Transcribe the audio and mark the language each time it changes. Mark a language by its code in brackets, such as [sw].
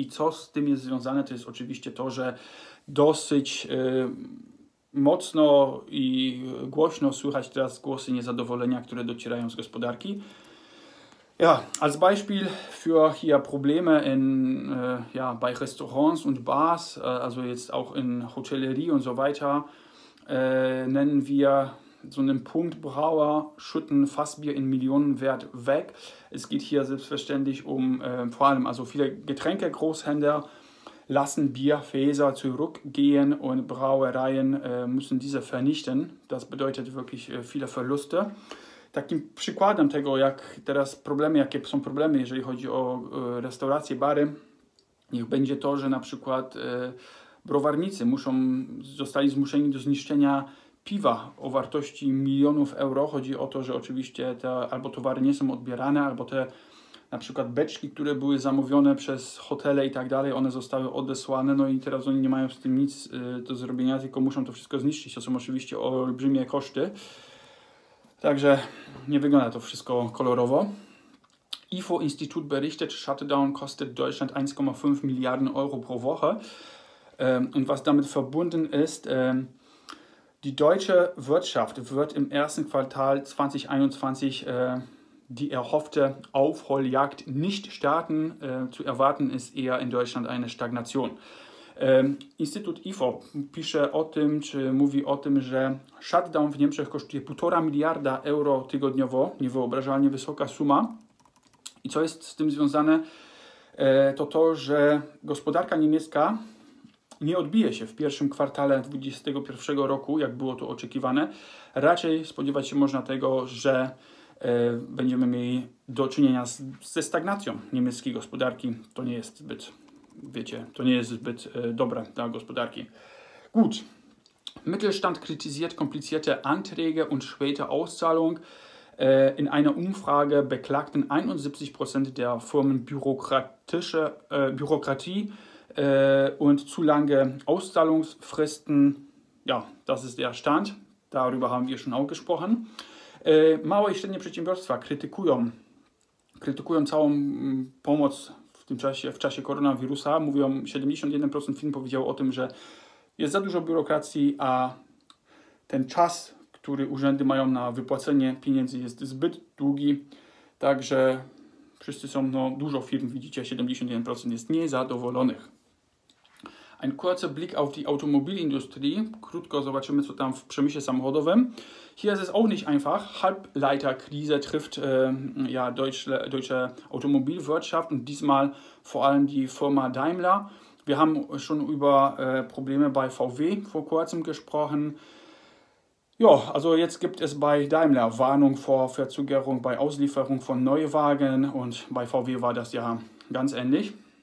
[pl] I co z tym jest związane, to jest oczywiście to, że dosyć mocno i głośno słychać teraz głosy niezadowolenia, które docierają z gospodarki. [de] Ja, als Beispiel für hier Probleme bei Restaurants und Bars, also jetzt auch in Hotellerie und so weiter, nennen wir so einen Punkt: Brauer schütten Fassbier in Millionenwert weg. Es geht hier selbstverständlich um vor allem, also viele Getränke-Großhändler lassen Bierfäser zurückgehen und Brauereien müssen diese vernichten. Das bedeutet wirklich viele Verluste. [pl] Takim przykładem tego, jak teraz problemy, jakie są problemy, jeżeli chodzi o restauracje, bary, niech będzie to, że na przykład browarnicy zostali zmuszeni do zniszczenia piwa o wartości milionów euro. Chodzi o to, że oczywiście te albo towary nie są odbierane, albo te na przykład beczki, które były zamówione przez hotele i tak dalej, one zostały odesłane, no i teraz oni nie mają z tym nic do zrobienia, tylko muszą to wszystko zniszczyć, to są oczywiście olbrzymie koszty. Także nie wygląda to wszystko kolorowo. [de] IFO-Institut berichtet, Shutdown kostet Deutschland 1,5 Milliarden Euro pro Woche. Und was damit verbunden ist, die deutsche Wirtschaft wird im ersten Quartal 2021 die erhoffte Aufholjagd nicht starten. Zu erwarten ist eher in Deutschland eine Stagnation. [pl] Instytut IFO pisze o tym, czy mówi o tym, że shutdown w Niemczech kosztuje 1,5 miliarda euro tygodniowo, niewyobrażalnie wysoka suma. I co jest z tym związane, to to, że gospodarka niemiecka nie odbije się w pierwszym kwartale 2021 roku, jak było to oczekiwane. Raczej spodziewać się można tego, że będziemy mieli do czynienia ze stagnacją niemieckiej gospodarki. To nie jest zbyt, wiecie, to nie jest zbyt dobre dla gospodarki. [de] Gut. Mittelstand kritisiert komplizierte Anträge und späte Auszahlung. In einer Umfrage beklagten 71% der Firmen Bürokratie und zu lange Auszahlungsfristen. Ja, das ist der Stand. Darüber haben wir schon auch gesprochen. [pl] Małe i średnie przedsiębiorstwa krytykują całą pomoc w tym czasie, w czasie koronawirusa. Mówią, 71% firm powiedział o tym, że jest za dużo biurokracji, a ten czas, który urzędy mają na wypłacenie pieniędzy, jest zbyt długi. Także wszyscy są, no dużo firm, widzicie, 71% jest niezadowolonych. [de] Ein kurzer Blick auf die Automobilindustrie. [pl] Krótko zobaczymy, co tam w przemyśle samochodowym. [de] Hier ist es auch nicht einfach. Halbleiterkrise trifft ja, deutsche Automobilwirtschaft und diesmal vor allem die Firma Daimler. Wir haben schon über Probleme bei VW vor kurzem gesprochen. Ja, also jetzt gibt es bei Daimler Warnung vor Verzögerung bei Auslieferung von Neuwagen und bei VW war das ja ganz ähnlich.